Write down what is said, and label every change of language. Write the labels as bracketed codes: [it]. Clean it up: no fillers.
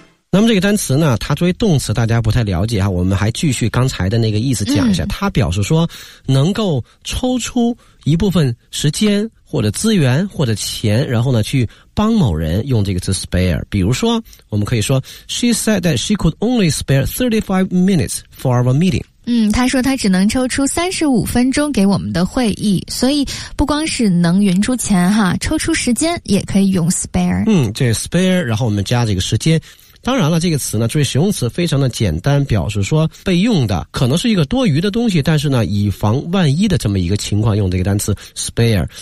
[zh] 那么这个单词呢，它作为动词大家不太了解哈，我们还继续刚才的那个意思讲一下，它表示说能够抽出一部分时间或者资源或者钱，然后呢去帮某人，用这个词 spare。 [en] 比如说我们可以说 She said that she could only spare 35 minutes for our meeting。 [zh] 嗯，他说他只能抽出35分钟给我们的会议，所以不光是能匀出钱哈，抽出时间也可以用 spare。嗯，这 spare 然后我们加这个时间，当然了，这个词呢作为形容词非常的简单，表示说备用的，可能是一个多余的东西，但是呢以防万一的这么一个情况用这个单词 spare。